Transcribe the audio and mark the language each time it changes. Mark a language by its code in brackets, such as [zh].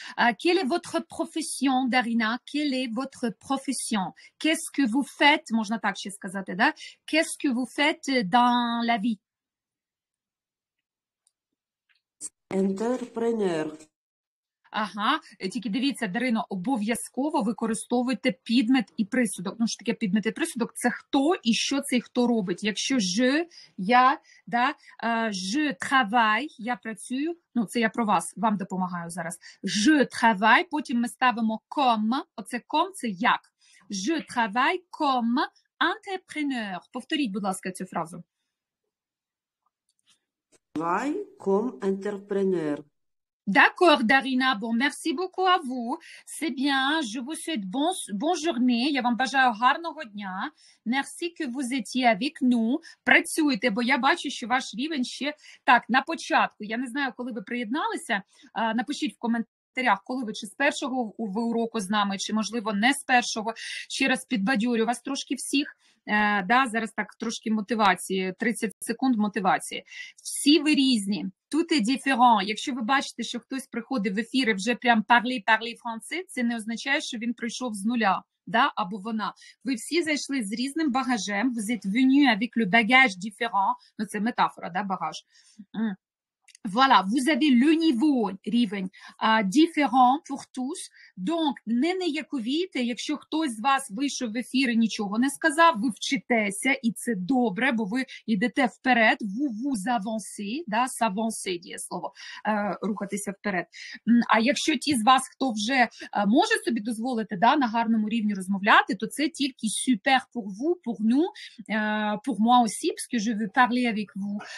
[fr] «Quelle est votre profession, Darina? Quelle est votre profession? Qu'est-ce que vous faites?» [uk] Можна так ще сказати, да? [fr] «Qu'est-ce que vous faites dans la vie?» «Entrepreneur». [uk] Ага, тільки дивіться, Дарино, обов'язково використовуйте підмет і присудок. Ну, що таке підмет і присудок? Це хто і що цей хто робить. Якщо «je», «я», да, [fr] «je travaille», [uk] «я працюю», ну, це я про вас, вам допомагаю зараз. «Je travaille», потім ми ставимо «comme», оце «comme» – це «як». [fr] «Je travaille comme entrepreneur». [uk] Повторіть, будь ласка, цю фразу. [fr] «Travaille comme entrepreneur». D'accord, Darina. Bon, merci beaucoup à vous. C'est bien. Je vous souhaite bonne journée. [uk] Я вам бажаю гарного дня. [fr] Merci que vous étiez avec nous. [uk] Працюйте, бо я бачу, що ваш рівень ще так, на початку. Я не знаю, коли ви приєдналися. Напишіть в коментарях, коли ви, чи з першого ви уроку з нами, чи, можливо, не з першого. Ще раз підбадьорю вас трошки всіх. Да, зараз так трошки мотивації, 30 секунд мотивації. Всі ви різні. Тут і діферон. Якщо ви бачите, що хтось приходить в ефір і вже прям парлі франці, це не означає, що він прийшов з нуля, да, або вона. Ви всі зайшли з різним багажем, [fr] vous êtes venu avec le bagage différent, [uk] ну це метафора, да, багаж. [fr] Voilà, vous avez le niveau, рівень, différent pour tous. Donc, [uk] не неяковіте, якщо хтось з вас вийшов в ефір і нічого не сказав, ви вчитеся, і це добре, бо ви йдете вперед. [fr] Vous avancez, [uk] да, s'avancez, діє слово, рухатися вперед. А якщо ті з вас, хто вже може собі дозволити, да, на гарному рівні [fr] розмовляти, то це тільки super pour vous, pour nous, pour moi aussi, parce que je veux parler avec vous.